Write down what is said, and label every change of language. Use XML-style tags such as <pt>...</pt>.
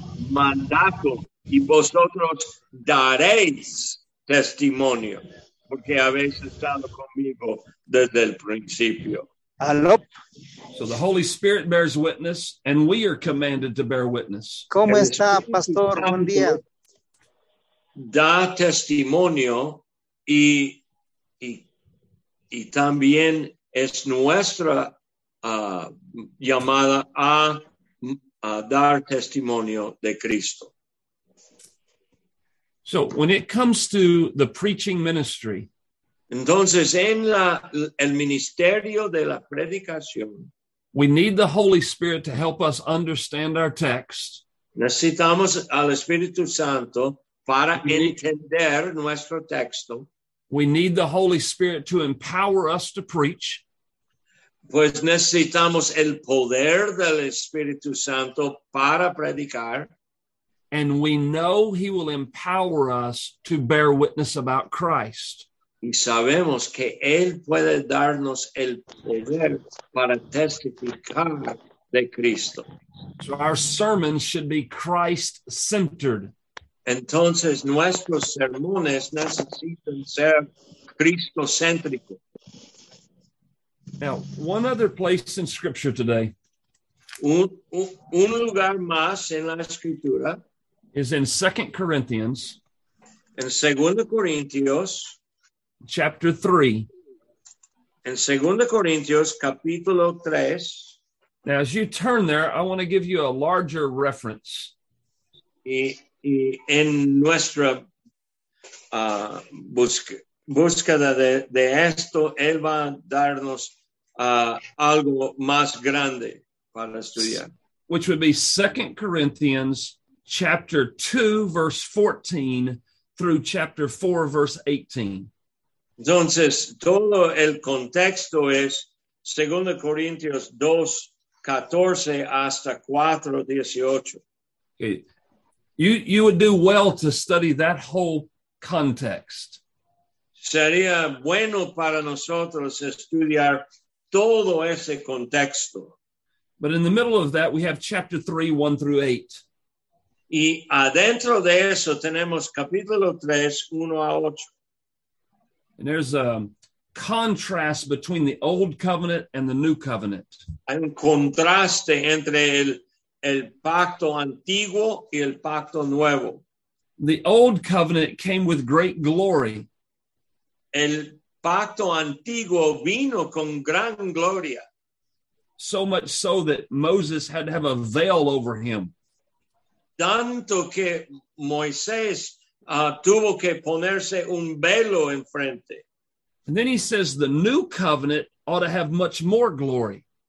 <es>mandato y vosotros daréis testimonio porque habéis estado conmigo desde el principio.</es> <en>Hello. So the Holy Spirit bears witness and we are commanded to bear witness.</en> <es>¿Cómo está, pastor? Buen día. Da testimonio y también es nuestra llamada a dar testimonio de Cristo.</es> <en>So when it comes to the preaching ministry,</en> <es>entonces en el ministerio de la predicación,</es> <en>we need the Holy Spirit to help us understand our text.</en> <es>Necesitamos al Espíritu Santo para entender nuestro texto.</es> <en>We need the Holy Spirit to empower us to preach.</en> <es>Pues necesitamos el poder del Espíritu Santo para predicar.</es> <en>And we know he will empower us to bear witness about Christ.</en> <es>Y sabemos que él puede darnos el poder para testificar de Cristo.</es> <en>So our sermons should be Christ-centered.</en> <es>Entonces nuestros sermones necesitan ser cristocéntricos.</es> <en>Now, one other place in Scripture today.</en> <es>Un lugar más en la Escritura.</es> <en>Is in 2 Corinthians.</en> <es>En 2 Corintios.</es> <en>Chapter 3.</en> <es>En 2 Corintios, capítulo 3.</es> <en>Now, as you turn there, I want to give you a larger reference.</en> <es>Y en nuestra búsqueda de esto, él va a darnos algo más grande para estudiar.</es> <en>Which would be 2 Corinthians chapter 2, verse 14, through chapter 4, verse 18.</en> <es>Entonces, todo el contexto es 2 Corintios 2, 14 hasta 4, 18.</es> <en>Okay. You would do well to study that whole context.</en> <es>Sería bueno para nosotros estudiar todo ese contexto.</es> <en>But in the middle of that, we have chapter 3, 1 through 8.</en> <es>Y adentro de eso tenemos capítulo 3, 1 a 8.</es> <en>And there's a contrast between the old covenant and the new covenant.</en> <es>Hay un contraste entre el pacto antiguo y el pacto nuevo.</es> <en>The old covenant came with great glory.</en> <es>El pacto antiguo vino con gran gloria.</es> <en>So much so that Moses had to have a veil over him.</en> <es>Tanto que Moisés tuvo que ponerse un velo enfrente.</es> <en>And then he says the new covenant ought to have much more glory.</en>